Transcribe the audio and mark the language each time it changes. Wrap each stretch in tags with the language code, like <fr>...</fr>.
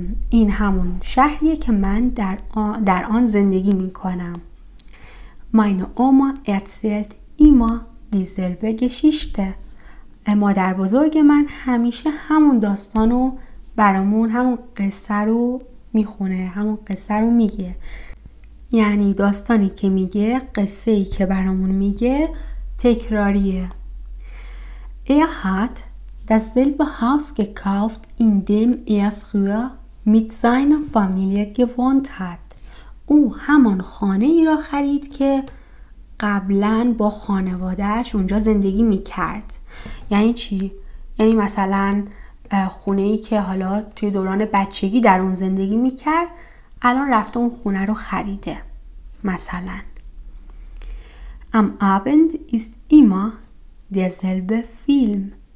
<fa>این همون شهریه که من در آن زندگی می کنم.</fa> <de>Meine Oma erzählt immer dieselbe Geschichte.</de> <fa>مادر بزرگ من همیشه همون داستانو برامون، همون قصه رو میخونه، همون قصه رو میگه. یعنی داستانی که میگه، قصه ای که برامون میگه تکراریه.</fa> <de>hat dasselbe Haus gekauft, in dem früher mit seiner Familie gewohnt hat.</de> <fa>او همان خانه ای را خرید که قبلاً با خانواده‌اش اونجا زندگی میکرد. یعنی چی؟ یعنی مثلا خونه ای که حالا توی دوران بچگی در اون زندگی میکرد الان رفته اون خونه رو خریده. مثلا</fa> <de>Am Abend ist immer derselbe Film.</de>